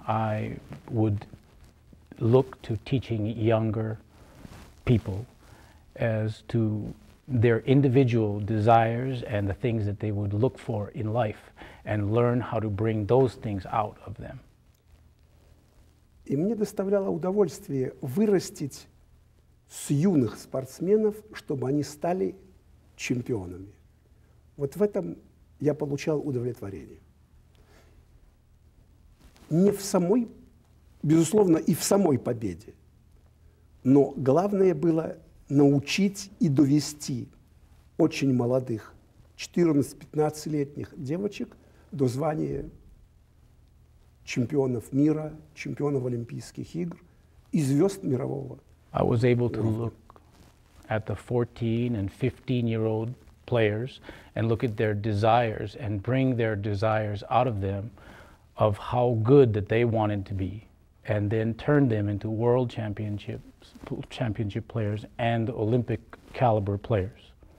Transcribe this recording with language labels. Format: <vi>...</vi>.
<en>I would look to teaching younger people as to their individual desires and the things that they would look for in life and learn how to bring those things out of them.</en> <ru>И мне доставляло удовольствие вырастить с юных спортсменов, чтобы они стали чемпионами. Вот в этом я получал удовлетворение. Не в самой, безусловно, и в самой победе, но главное было научить и довести очень молодых 14-15-летних девочек до звания чемпионов мира, чемпионов Олимпийских игр и звезд мирового</ru> <en>I was able to look at the 14 and 15-year-old players and look at their desires and bring their desires out of them of how good that they wanted to be, and then turn them into world championship players and Olympic caliber players.</en>